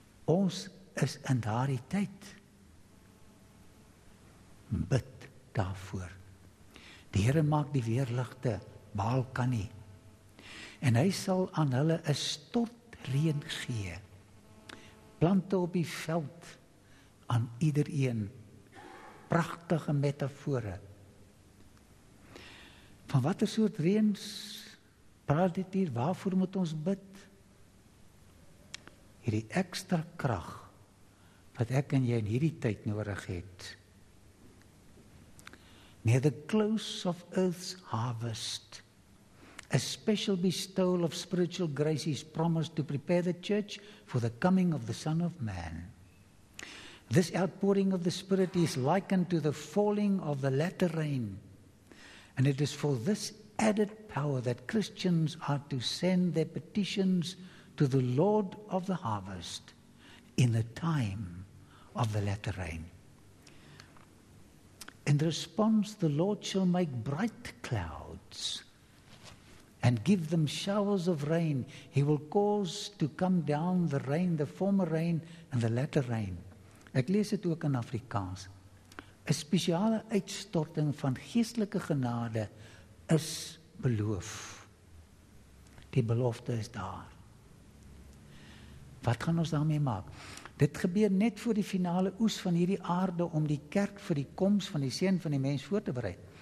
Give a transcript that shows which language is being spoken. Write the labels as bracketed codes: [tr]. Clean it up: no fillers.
[af] Ons is in daardie tyd. Bid daarvoor. Die Here maak die weerligte Baal kan nie. En hy sal aan hulle 'n stort reën gee. Plante op die veld aan iedereen. Pragtige metafore. Van watter soort reëns praat dit hier? Waarvoor moet ons bid? Hierdie ekstra krag wat ek en jy in hierdie tyd nodig het. [en] Near the close of earth's harvest, a special bestowal of spiritual grace is promised to prepare the church for the coming of the Son of Man. This outpouring of the Spirit is likened to the falling of the latter rain, and it is for this added power that Christians are to send their petitions to the Lord of the harvest in the time of the latter rain. In response, the Lord shall make bright clouds and give them showers of rain. He will cause to come down the rain, the former rain and the latter rain. [af] Ek lees dit ook in Afrikaans. 'N spesiale uitstorting van geestelike genade is beloof. Die belofte is daar. Wat gaan ons daarmee maak? Dit gebeur net voor die finale oes van hierdie aarde om die kerk vir die koms van die Seun van die mens voor te berei.